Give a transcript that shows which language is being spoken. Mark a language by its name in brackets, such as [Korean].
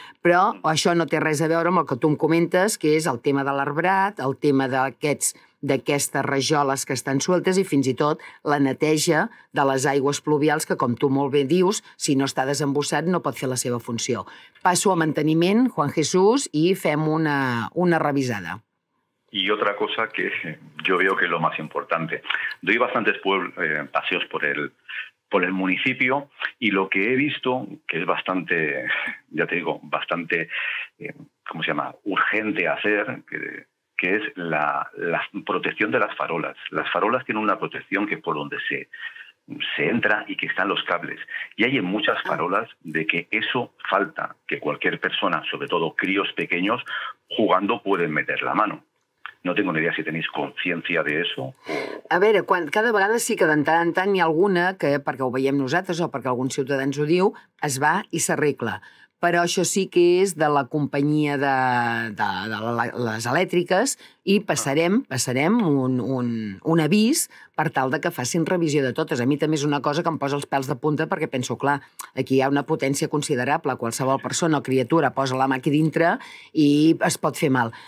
[Catalan] Però això no té res a veure amb el que tu em comentes, que és el tema de l'arbrat, el tema d'aquestes rajoles que estan sueltes i fins i tot la neteja de les aigües pluvials que, com tu molt bé dius, si no està desembossat no pot fer la seva funció. Passo a manteniment, Juan Jesús, i fem una revisada. [Spanish] Y otra cosa que yo veo que es lo más importante. Doy bastantes paseos por el municipio y lo que he visto, que es bastante, ya te digo, bastante, ¿cómo se llama?, urgente hacer, que es la protección de las farolas. Las farolas tienen una protección que es por donde se entra y que están los cables. Y hay en muchas farolas de que eso falta, que cualquier persona, sobre todo críos pequeños, jugando pueden meter la mano. No tengo ni idea si tenéis conciencia de eso. [Catalan] A veure, cada vegada sí que de tant en tant hi ha alguna que, perquè ho veiem nosaltres o perquè algun ciutadà ens ho diu, es va i s'arregla. Però això sí que és de la companyia de les elèctriques i passarem un avís per tal de que facin revisió de totes. A mi també és una cosa que em posa els pèls de punta perquè penso, clar, aquí hi ha una potència considerable, qualsevol persona o criatura posa la mà aquí dintre i es pot fer mal.